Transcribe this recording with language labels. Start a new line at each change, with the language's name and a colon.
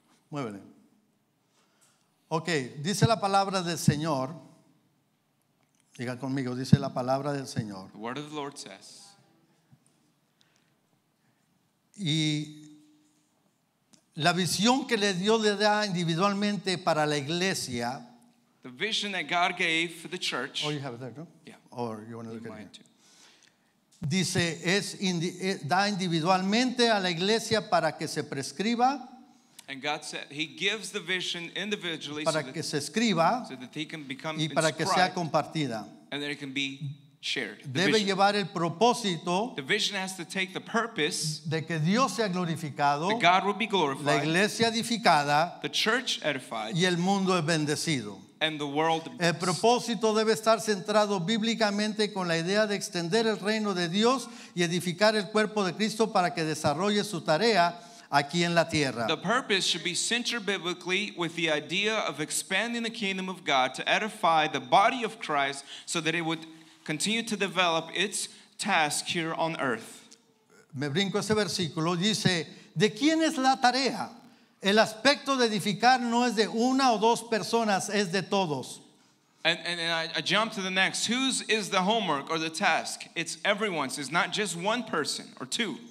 Spanish: Muévele. Okay, dice la palabra del Señor. Diga conmigo, dice la palabra del Señor.
English: The word of the Lord says.
Spanish: Y la visión que le Dios le da individualmente para la iglesia.
English: The vision that God gave for the church. Oh, you have it there, no? Yeah. Or you want to look at it.
Spanish: Dice, da individualmente a la iglesia para que se prescriba.
English: And God said he gives the vision individually
Spanish: para que se escriba,
English: so that he can become
Spanish: y para que sea compartida.
English: And that it can be shared.
Spanish: Debe llevar el propósito.
English: The vision has to take the purpose
Spanish: de que Dios sea glorificado,
English: that God will be glorified,
Spanish: la iglesia edificada,
English: the church edified,
Spanish: y el mundo es bendecido.
English: And the world blessed.
Spanish: El propósito debe estar centrado bíblicamente con la idea de extender el reino de Dios y edificar el cuerpo de Cristo para que desarrolle su tarea aquí en la tierra.
English: The purpose should be centered biblically with the idea of expanding the kingdom of God to edify the body of Christ so that it would continue to develop its task here on earth.
Spanish: Me brinco ese versículo, dice, ¿de quién es la tarea? El aspecto de edificar no es de una o dos personas, es de todos.
English: And I jump to the next. Whose is the homework or the task? It's everyone's. It's not just one person or two.